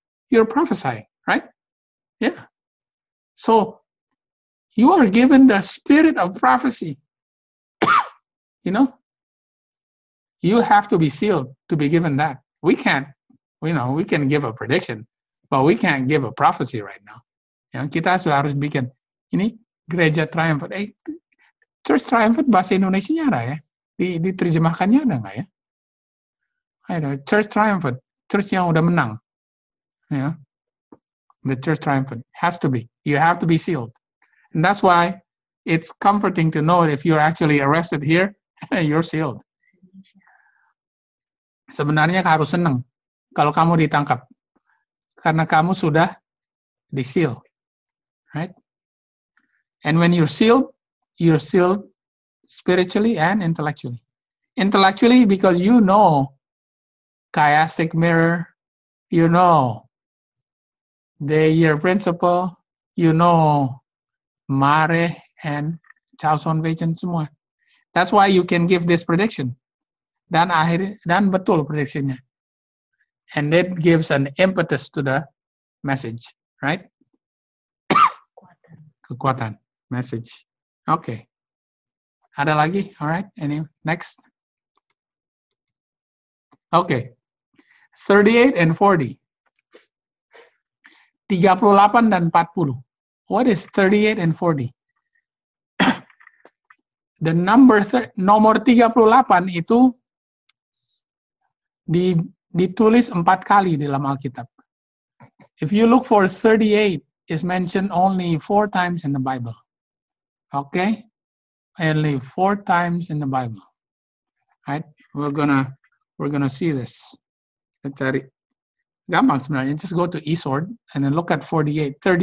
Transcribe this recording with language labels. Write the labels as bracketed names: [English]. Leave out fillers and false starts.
[English] you're prophesying, right? Yeah. So you are given the spirit of prophecy. You know, you have to be sealed to be given that. We can't, you know, we can give a prediction, but we can't give a prophecy right now. [Indonesian] Ya, kita sudah harus bikin ini gereja triumphant. Church triumphant bahasa Indonesianya ada ya? Diterjemahkannya ada nggak ya? Ada church triumphant, church yang udah menang. [English] Ya, the church triumphant has to be. You have to be sealed, and that's why it's comforting to know if you're actually arrested here, you're sealed. [Indonesian] Sebenarnya harus seneng kalau kamu ditangkap karena kamu sudah diseal. [English] Right? And when you're sealed spiritually and intellectually. Intellectually, because you know chiastic mirror, you know the year principle, you know mare and Chalcedon Vision semua. That's why you can give this prediction. [Indonesian] Dan akhir dan betul prediksinya. [English] And it gives an impetus to the message, right? [Indonesian] Kekuatan message. [English] Okay. [Indonesian] Ada lagi? [English] All right. Any next? Okay. 38 and 40. [Indonesian] 38 dan 40. [English] What is 38 and 40? The number [Indonesian] nomor 38 itu ditulis 4 kali dalam Alkitab. [English] If you look for 38, is mentioned only 4 times in the Bible. Okay? Only 4 times in the Bible. Right? We're gonna see this. [Indonesian] Cari. Gampang sebenarnya. [English] Just go to Esword and then look at 38.